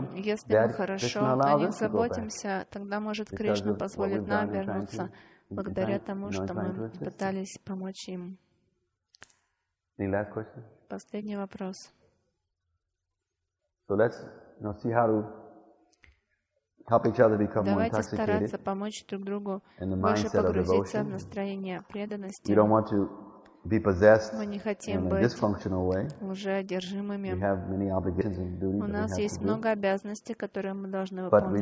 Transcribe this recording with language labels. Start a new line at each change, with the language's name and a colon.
Russian: Если мы хорошо о них заботимся, тогда, может, Кришна позволит нам вернуться благодаря тому, что мы пытались помочь им. Последний вопрос.
English: So let's see how to help each other become more intoxicated.
Russian: Давайте помочь друг другу больше погрузиться в настроение преданности.
English: We don't want to be possessed in a dysfunctional way.
Russian: Уже одержимыми.
English: We have many obligations and duties.
Russian: У нас есть много обязанностей, которые мы должны выполнять.